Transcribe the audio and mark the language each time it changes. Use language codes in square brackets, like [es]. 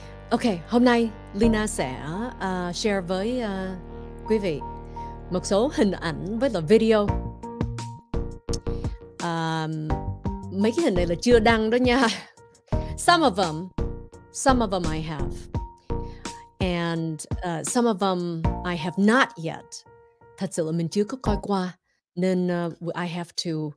[vi] Okay, hôm nay Leyna sẽ share với quý vị một số hình ảnh với là video. Mấy cái hình này là chưa đăng đó nha. [en] Some of them I have. And some of them I have not yet. [vi] Thật sự là mình chưa có coi qua. Nên [en] I have to...